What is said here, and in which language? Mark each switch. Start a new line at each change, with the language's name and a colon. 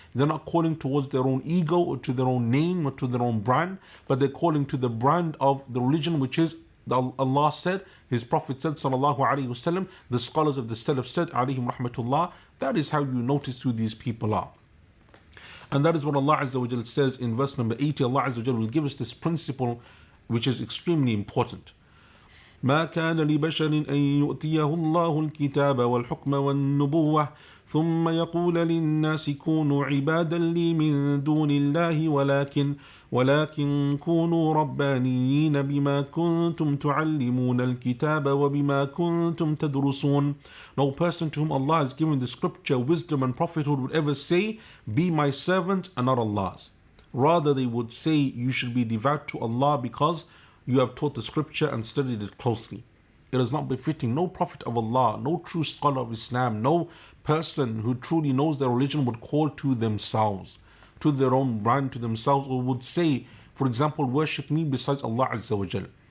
English: They're not calling towards their own ego or to their own name or to their own brand, but they're calling to the brand of the religion, which is Allah said, His Prophet said sallallahu alaihi wasallam, the scholars of the Salaf said alayhim rahmatullah. That is how you notice who these people are. And that is what Allah Azza wa Jal says in verse number 80. Allah Azza wa Jal will give us this principle which is extremely important.
Arabic: ما كان لبشر أن يؤتيه الله الكتاب والحكم والنبوة ثم يقول للناس كونوا عبادا لي من دون الله ولكن كونوا ربانيين بما كنتم تعلمون الكتاب وبما كنتم تدرسون.
English: No person to whom Allah has given the scripture, wisdom and prophethood would ever say, be my servant and not Allah's. Rather they would say, you should be devout to Allah because you have taught the scripture and studied it closely. It is not befitting. No prophet of Allah, no true scholar of Islam, no person who truly knows their religion would call to themselves, to their own brand, to themselves, or would say, for example, worship me besides Allah Azza wa Jal.